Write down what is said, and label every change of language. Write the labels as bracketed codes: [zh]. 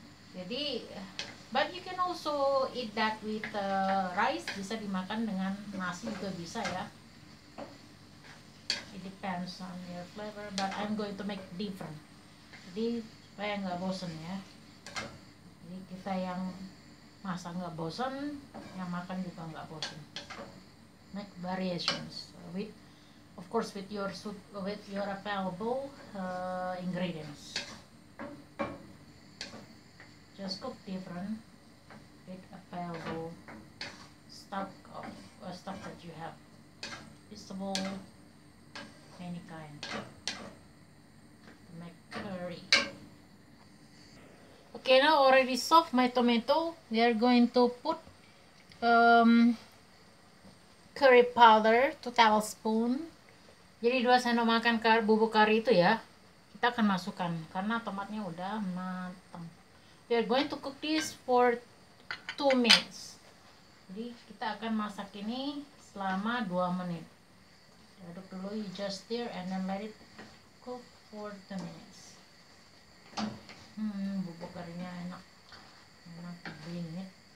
[id] Jadi, [en] but you can also eat that with rice, [id] bisa dimakan dengan nasi juga bisa ya. [en] It depends on your flavor, but I'm going to make different. [id] Jadi, supaya nggak bosan ya. Jadi, kita yang masak nggak bosan, yang makan juga nggak bosan. [en] Make variations with, of course, with your soup, with your available ingredients. Just cook different with available stuff that you have. Vegetable, any kind. Make curry. Okay, now already soft my tomato. We are going to put curry powder 2 tablespoon. [id] Jadi 2 sendok makan bubuk kari itu ya. Kita akan masukkan karena tomatnya udah matang. [en] We are going to cook this for 2 minutes. [id] Jadi kita akan masak ini selama 2 menit. Aduk dulu, [en] you just stir and then let it cook for 2 minutes. [id] Bubuk karinya enak. Enak banget.